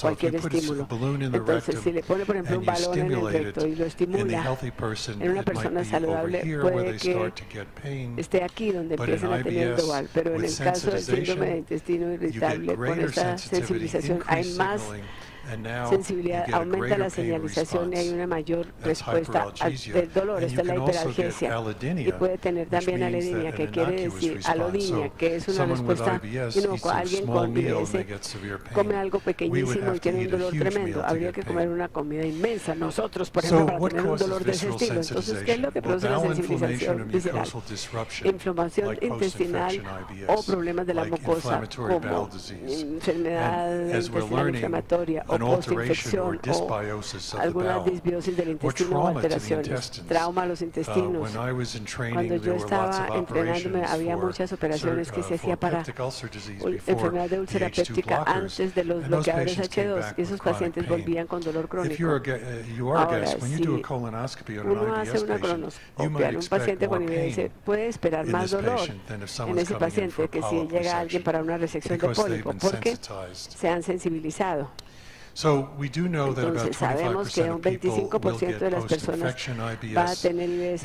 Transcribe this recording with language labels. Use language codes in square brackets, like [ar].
[en] So if you put a balloon in the rectum and you stimulate it in the healthy person, it might be over here where they start to get pain, but in IBS with sensitization you get greater sensitivity, increased signaling. And now [es] sensibilidad [en] you get [es] aumenta a la señalización y hay una mayor respuesta del dolor, esta es la hiperalgesia. Y puede tener también alodinia, que quiere decir alodinia, que es una respuesta inocua. Alguien con IBS come algo pequeñísimo y tiene un dolor tremendo. Habría que comer una comida inmensa. Nosotros, por ejemplo, para tener un dolor de ese estilo. Entonces, ¿qué es lo que produce la sensibilización visceral? Inflamación intestinal o problemas de la mucosa, como enfermedad intestinal inflamatoria. [en] An alteration or dysbiosis of [es] alguna [en] the bowel, or trauma to the intestines. [es] Trauma a los intestinos. [en] When I was in training, there were lots of operations [es] había muchas operaciones [en] for, [es] que se hacía para [en] peptic ulcer disease [es] enfermedad de úlcera péptica antes de los bloqueadores H2, y esos pacientes volvían con dolor crónico. [en] If you're a guest, when you do a colonoscopy on an IBS patient, you might expect more pain in this patient than if someone's coming in for a polyp resection, because they've been sensitized. [es] Porque se han sensibilizado. [en] So we do know that about 25% of people will get post-infection IBS.